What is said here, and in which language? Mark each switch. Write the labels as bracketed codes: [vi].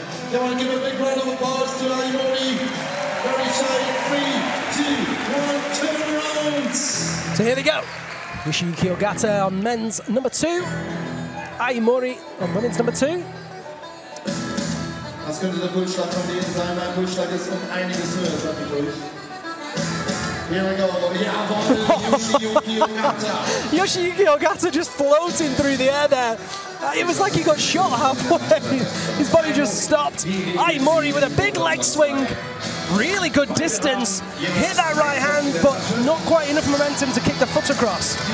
[en] You want to give a big round of applause to Aimori? Very shy. Three, two, one, turn around. So here they go. Yoshiyuki Ogata on men's number two. Aimori on women's number two. Let's go to the Bullschlag from the inside. My [de] Bullschlag [en] is [de] um einiges höher, sag ich euch. [en] Here we go. [de] Jawohl, [en] Yoshiyuki Ogata. Yoshiyuki Ogata just floating through the air there. It was like he got shot halfway. His body just stopped. Aimori with a big leg swing. Really good distance. Hit that right hand, but not quite enough momentum to kick the foot across.